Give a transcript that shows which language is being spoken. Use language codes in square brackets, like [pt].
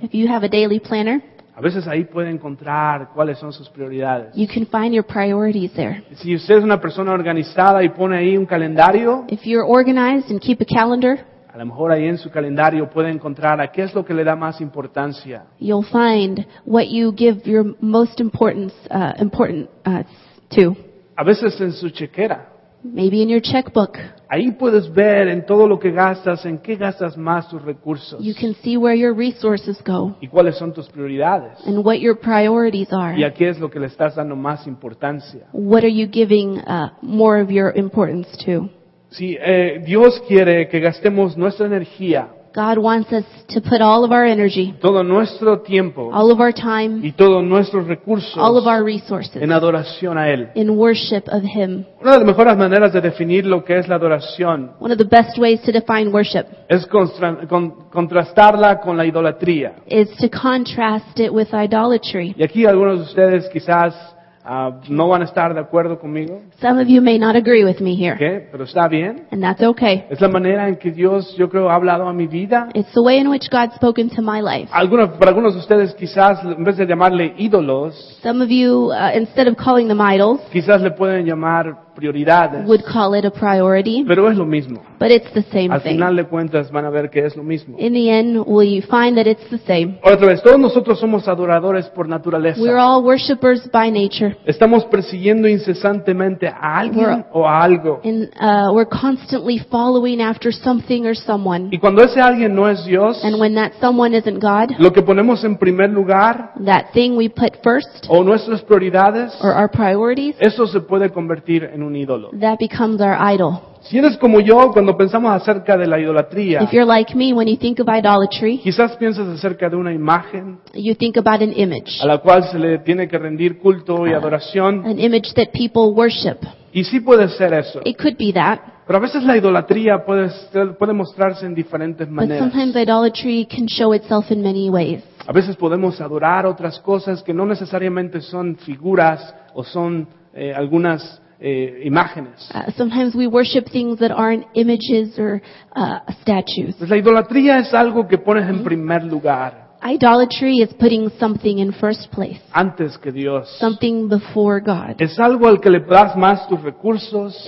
[en] If you have a daily planner, [es] a veces ahí puede encontrar cuáles son sus prioridades. [en] You can find your priorities there. [es] Si usted es una persona organizada y pone ahí un calendario, [en] if you're organized and keep a calendar, [es] a lo mejor ahí en su calendario puede encontrar a qué es lo que le da más importancia. [en] You'll find what you give your most importance to. [es] A veces en su chequera. [en] Maybe in your checkbook. [es] Ahí puedes ver en todo lo que gastas, en qué gastas más tus recursos. [en] You can see where your resources go. [es] Y cuáles son tus prioridades. [en] And what your priorities are. [es] Y a qué es lo que le estás dando más importancia. [en] What are you giving more of your importance to? [es] Sí, Dios quiere que gastemos nuestra energía. [en] God wants us to put all of our energy, [es] todo nuestro tiempo, [en] all of our time, [es] y todos nuestros recursos, [en] all of our resources, [es] en adoración a Él. [en] In worship of Him. [es] Una de las mejores maneras de definir lo que es la adoración, [en] one of the best ways to define worship, [es] es contrastarla con la idolatría, [en] is to contrast it with idolatry. [es] Y aquí algunos de ustedes quizás no van a estar de acuerdo conmigo. [en] Some of you may not agree with me here. [es] Okay, pero está bien. [en] And that's okay. [es] Es la manera en que Dios, yo creo, ha hablado a mi vida. [en] It's the way in which God's spoken to my life. [es] Para algunos de ustedes, quizás en vez de llamarle ídolos, [en] some of you, instead of calling them idols, [es] quizás le pueden llamar prioridades. [en] Would call it a priority. [es] Pero es lo mismo. [en] But it's the same thing. [es] Al final de cuentas, van a ver que es lo mismo. [en] In the end, will you find that it's the same? [es] Otra vez, todos nosotros somos adoradores por naturaleza. [en] We're all worshipers by nature. [es] Estamos persiguiendo incesantemente a alguien o a algo. [en] We're constantly following after something or someone. [es] Y cuando ese alguien no es Dios, [en] and when that someone isn't God, [es] lo que ponemos en primer lugar, [en] that thing we put first, [es] o nuestras prioridades, [en] or our priorities, [es] eso se puede convertir en un ídolo. [en] That becomes our idol. [es] Si eres como yo, cuando pensamos acerca de la idolatría, [en] if you're like me, when you think of idolatry, [es] quizás piensas acerca de una imagen, [en] you think about an image, [es] a la cual se le tiene que rendir culto y adoración, [en] an image that people worship. [es] Y sí puede ser eso. [en] It could be that. [es] Pero a veces la idolatría puede mostrarse en diferentes maneras. [en] But sometimes idolatry can show itself in many ways. [es] A veces podemos adorar otras cosas que no necesariamente son figuras o son algunas imágenes. [en] Sometimes we worship things that aren't images or statues. [es] Pues la idolatría es algo que pones en primer lugar. [en] Idolatry is putting something in first place. [es] Antes que Dios. [en] Something before God. [es] Es algo al que le das más tus recursos.